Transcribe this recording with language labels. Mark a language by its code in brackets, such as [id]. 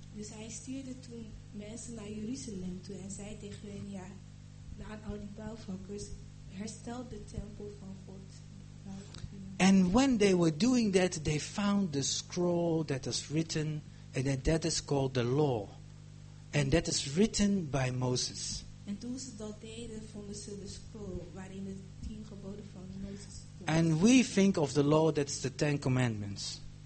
[nl] Dus hij stuurde toen mensen naar Jeruzalem toe en zei tegen hen, ja, aan al die bouwvakkers, herstel de tempel van God. [en] And when they were doing that, they found the scroll that was written, and then that is called the law. And that is written by Moses. [nl] And toen ze dat deden, vonden ze de scroll waarin de 10 geboden van Moses. [en] And we think of the law, that's the 10 commandments.